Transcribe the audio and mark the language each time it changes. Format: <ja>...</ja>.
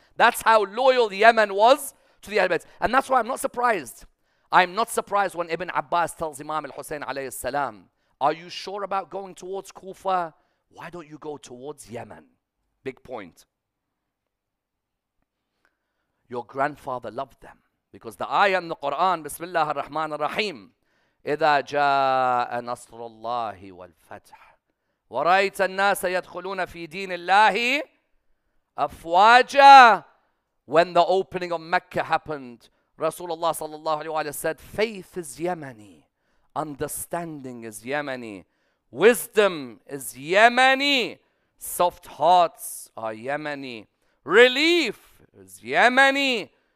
<en>That's how loyal Yemen was to the Ahlbayt. And that's why I'm not surprised. I'm not surprised when Ibn Abbas tells Imam al-Hussein alayhi salam, are you sure about going towards Kufa? Why don't you go towards Yemen? Big point. Your grandfather loved them. Because the ayah in the Quran,</en> <ar>Bismillah ar-Rahman ar-Rahim, إِذَا جَاءَ نَصْرُ اللَّهِ وَالْفَتْحِ وَرَأَيْتَ النَّاسَ يَدْخُلُونَ فِي دِينِ اللَّهِ أَفْوَاجَ.</ar> <en>When the opening of Mecca happened, Rasulullah sallallahu alayhi wa sallam said, faith is Yemeni, understanding is Yemeni, wisdom is Yemeni, soft hearts are Yemeni, relief is Yemeni.</en>